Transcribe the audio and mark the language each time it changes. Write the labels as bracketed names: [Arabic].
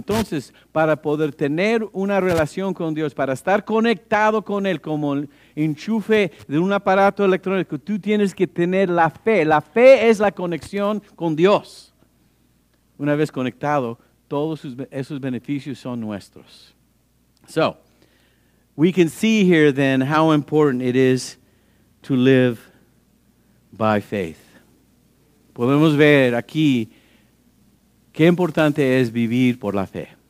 [Spanish] Entonces, para poder tener una relación con Dios, para estar conectado con Él como el enchufe de un aparato electrónico, tú tienes que tener la fe. La fe es la conexión con Dios. Una vez conectado, todos esos beneficios son nuestros. [English] So, we can see here then how important it is to live by faith. [Spanish] Podemos ver aquí qué importante es vivir por la fe.